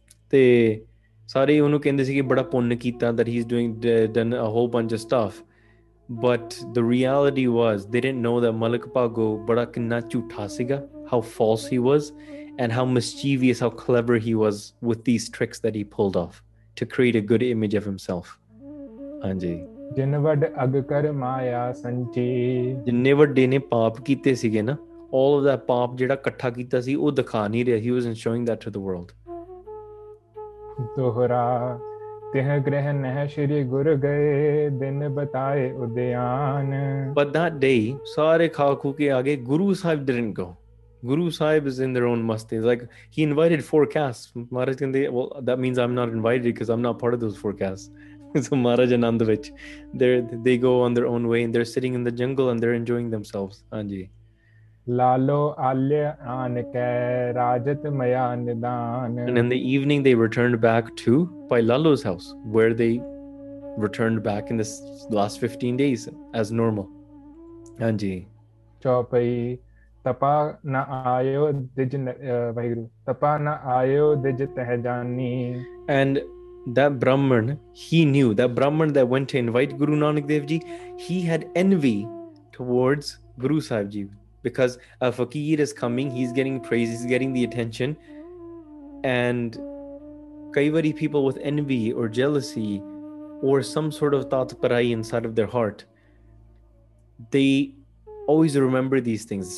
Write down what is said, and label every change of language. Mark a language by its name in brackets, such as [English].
[Punjabi] ਤੇ ਸਾਰੇ ਉਹਨੂੰ ਕਹਿੰਦੇ ਸੀ ਕਿ ਬੜਾ ਪੁੰਨ ਕੀਤਾ [English] that he is doing done a whole bunch of stuff but the reality was they didn't know that Malik Bhago [Punjabi] ਬੜਾ ਕਿੰਨਾ ਝੂਠਾ ਸੀਗਾ [English] how false he was and how mischievous how clever he was with these tricks that he pulled off to create a good image of himself ਹਾਂਜੀ [Punjabi] ਜਿਨ ਵੱਡ ਅਗ ਕਰ ਮਾਇਆ ਸੰਚੀ। ਜਿੰਨੇ ਵੱਡੇ ਨੇ ਪਾਪ ਕੀਤੇ ਸੀਗੇ ਨਾ [English] All of that pomp, [Punjabi] jeda katha kita si, oh dikha nahi raha. [English] He wasn't showing that to the world. [Punjabi] ਦੋਹਰਾ ਤਿਹ ਗ੍ਰਹਿ ਨਹਿ ਸ਼੍ਰੀ ਗੁਰ ਗਏ ਦਿਨ ਬਤਾਏ ਉਦਿਆਨ। [English] But that day, [Punjabi] sare khaku ke aage, [English] Guru Sahib didn't go. Guru Sahib is in their own masti. Like he invited four castes. [Punjabi] Maharaj kende, [English] well, that means I'm not invited because I'm not part of those four castes. So Maharaj Anand Vich, they go on their own way and they're sitting in the jungle and they're enjoying themselves. [Punjabi] Anji. ਲਾਲੋ ਆਲਿਆ ਆਨ ਕੈ ਰਾਜਤ ਮਯਾ ਨਿਦਾਨ। [English] And in the evening, they returned back to Bhai Lalo's house, where they returned back in this last 15 days as normal. [Punjabi] Anji. ਚੌਪਈ ਤਪਾ ਨਾ ਆਇਓ ਦਿਜ ਵਾਹਿਗੁਰੂ ਤਪਾ ਨਾ ਆਇਓ ਦਿਜ ਤਹਿ ਜਾਨੀ। [English] And that Brahman, he knew, that Brahman that went to invite Guru Nanak Dev Ji, he had envy towards Guru Sahib Ji. Because a fakir is coming, he's getting praise, he's getting the attention. And kaivari people with envy or jealousy or some sort of tatparai inside of their heart, they always remember these things.